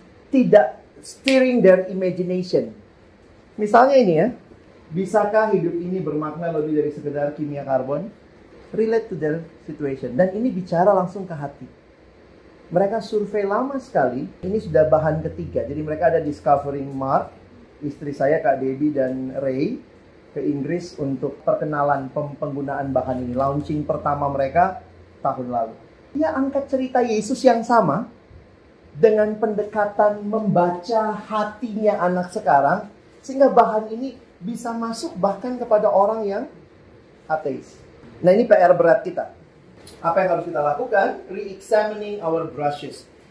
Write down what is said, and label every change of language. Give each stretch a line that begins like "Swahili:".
Indonesian: Tidak
English: stirring their imagination.
Indonesian: Misalnya ini ya, bisakah hidup ini bermakna lebih dari sekedar kimia karbon?
English: Relate to their situation.
Indonesian: Dan ini bicara langsung ke hati. Mereka survei lama sekali, ini sudah bahan ketiga. Jadi mereka ada discovering Mark, istri saya Kak Debbie dan Ray ke Inggris untuk perkenalan penggunaan bahan ini. Launching pertama mereka tahun lalu. Dia angkat cerita Yesus yang sama dengan pendekatan membaca hatinya anak sekarang. Sehingga bahan ini bisa masuk bahkan kepada orang yang ateis. Nah ini PR berat kita. Apa yang harus kita lakukan?
English: Re-examining our brushes.